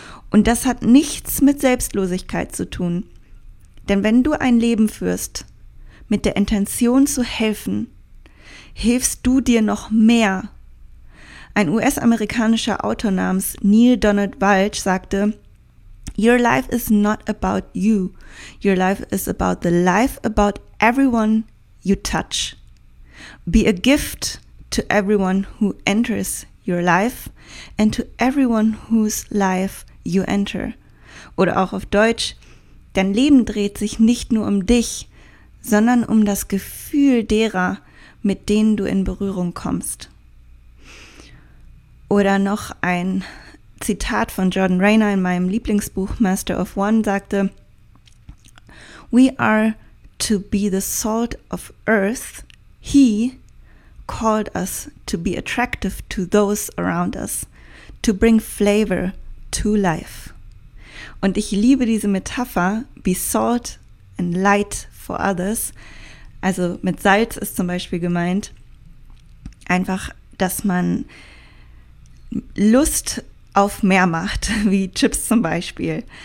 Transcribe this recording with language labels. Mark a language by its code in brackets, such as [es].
[de] Und das hat nichts mit Selbstlosigkeit zu tun. Denn wenn du ein Leben führst, mit der Intention zu helfen, hilfst du dir noch mehr. Ein US-amerikanischer Autor namens Neil Donald Walsh sagte: [en] "Your life is not about you. Your life is about the life about everyone you touch. Be a gift to everyone who enters your life and to everyone whose life you enter." [de] Oder auch auf Deutsch: Dein Leben dreht sich nicht nur um dich, sondern um das Gefühl derer, mit denen du in Berührung kommst. Oder noch ein Zitat von Jordan Rayner in meinem Lieblingsbuch Master of One sagte: [en] "We are to be the salt of earth. He called us to be attractive to those around us, to bring flavor to life." [de] Und ich liebe diese Metapher, [en] be salt and light for others. [de] Also mit Salz ist zum Beispiel gemeint, einfach, dass man Lust auf mehr macht, wie Chips zum Beispiel.